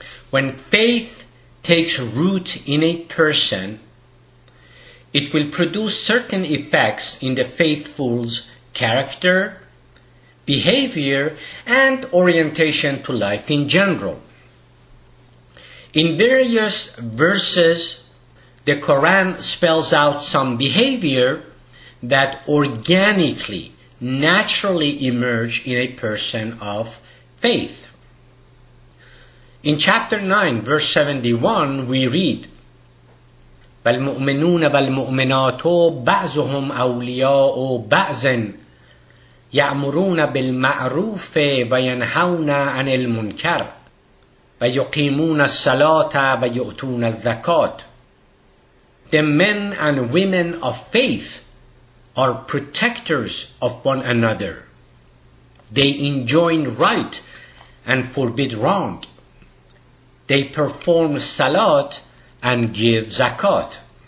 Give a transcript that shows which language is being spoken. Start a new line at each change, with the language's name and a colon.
English: When faith takes root in a person, it will produce certain effects in the faithful's character, behavior, and orientation to life in general. In various verses, the Quran spells out some behavior that organically, naturally emerge in a person of faith. In chapter 9, verse 71, we read,
Arabic: وَالْمُؤْمِنُونَ وَالْمُؤْمِنَاتُ بَعْضُهُمْ أَوْلِيَاءُ بَعْضٍ يَأْمُرُونَ بِالْمَعْرُوفِ وَيَنْهَوْنَ عَنِ الْمُنْكَرِ وَيُقِيمُونَ الصَّلَاةَ وَيُؤْتُونَ الزَّكَاةَ.
English: The men and women of faith are protectors of one another. They enjoin right and forbid wrong. They perform salat and give zakat.